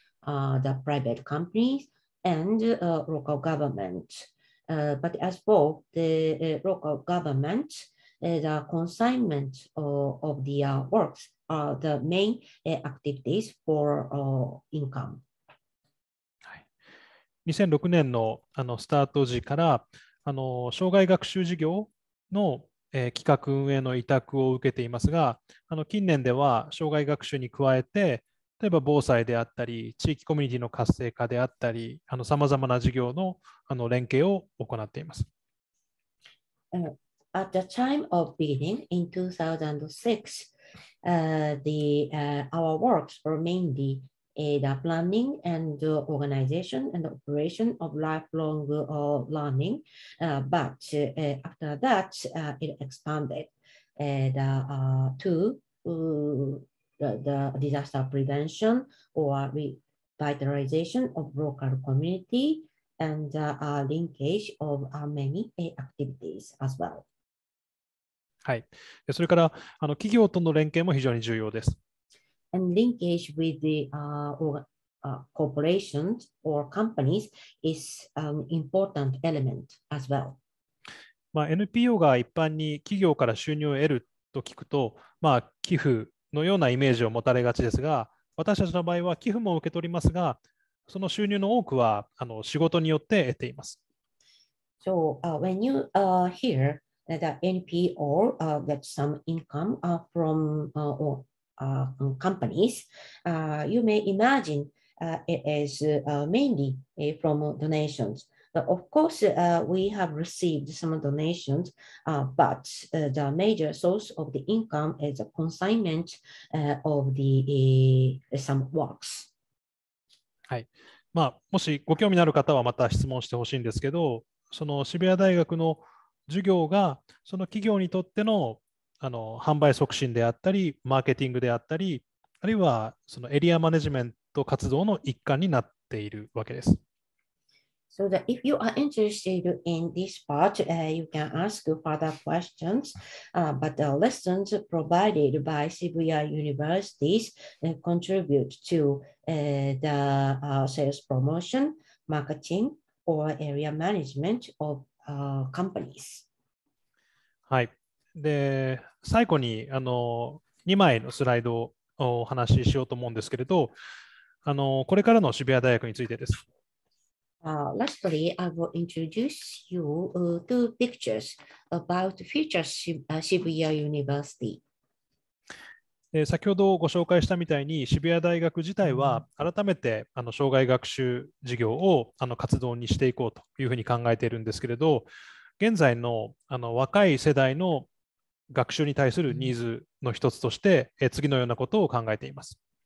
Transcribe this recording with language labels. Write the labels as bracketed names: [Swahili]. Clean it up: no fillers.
[English] The private companies and local governments. But as for the local governments, the consignment of the works are the main activities for income. [Japanese] 2006年の、スタート時から障害学習事業の、企画運営の委託を受けていますが、近年では障害学習に加えて例えば防災であったり地域コミュニティの活性化であったりさまざまな事業 の, 連携を行っています。 [English] At the time of beginning in 2006 our works were mainly the planning and the organization and operation of lifelong learning but after that it expanded the disaster prevention or revitalization of local community and the linkage of many activities as well. [Japanese] はい。それから企業との連携も非常に重要です。 [English] And linkage with the corporations or companies is an important element as well. [Japanese] まあ、NPO が一般に企業から収入を得ると聞くと、まあ、寄付のようなイメージを持たれがちですが、私たちの場合は寄付も受け取りますが、その収入の多くは仕事によって得ています。 [English] So, when you hear that NPO gets some income from companies, you may imagine it is mainly from donations. But of course, we have received some donations, but the major source of the income is a consignment of the some works. [Japanese] はい。まあ、もしご興味のある方はまた質問してほしいんですけど、その渋谷大学の授業がその企業にとっての販売促進であったり、マーケティングであったり、あるいはそのエリアマネジメント活動の一環になっているわけです。 [English] So that if you are interested in this part, you can ask further questions. But the lessons provided by Shibuya universities contribute to the sales promotion, marketing, or area management of companies. [Japanese] はい。で最後にあの2枚のスライドをお話ししようと思うんですけれど、あのこれからの渋谷大学についてです。 [English] Lastly, I will introduce you two pictures about future Shibuya University. [Japanese] 先ほどご紹介したみたいに渋谷大学自体は改めてあの障害学習事業をあの活動にしていこうというふうに考えているんですけれど、現在 の, あの若い世代の学習に対するニーズの一つとして、次のようなことを考えています。